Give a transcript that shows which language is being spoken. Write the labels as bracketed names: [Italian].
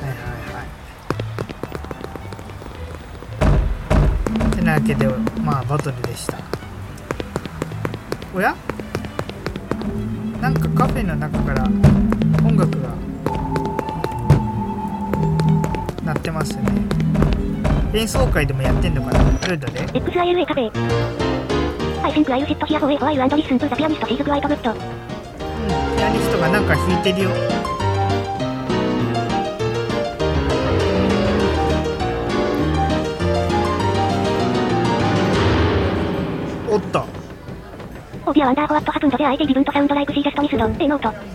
[Japanese] はいはいはい、てなわけでまあバトルでした。おや、なんかカフェの中から音楽が鳴ってますね、演奏会でもやってんのかな、どれだね、 [English] XILA カフェ I think I'll sit here for a while and listen to the pianist she's quite good、 [Japanese] ピアニストがなんか弾いてるよ、おった [English] 、 Oh dear, I wonder what happened there, I think even to sound like she just missed the note、